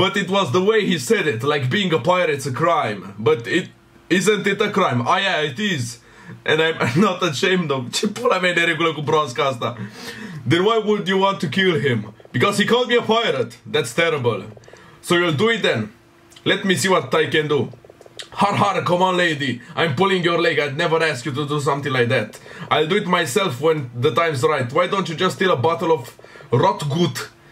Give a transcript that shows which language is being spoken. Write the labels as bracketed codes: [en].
[en] But it was the way he said it, like being a pirate's a crime. But it... Isn't it a crime? Ah, yeah, it is. And I'm not ashamed of... [ro] Ce pula mea e de regulă cu broasca asta? [en] Then why would you want to kill him? Because he called me a pirate. That's terrible. So you'll do it then. Let me see what I can do. Har har, come on lady. I'm pulling your leg. I'd never ask you to do something like that. I'll do it myself when the time's right. Why don't you just steal a bottle of rot gut?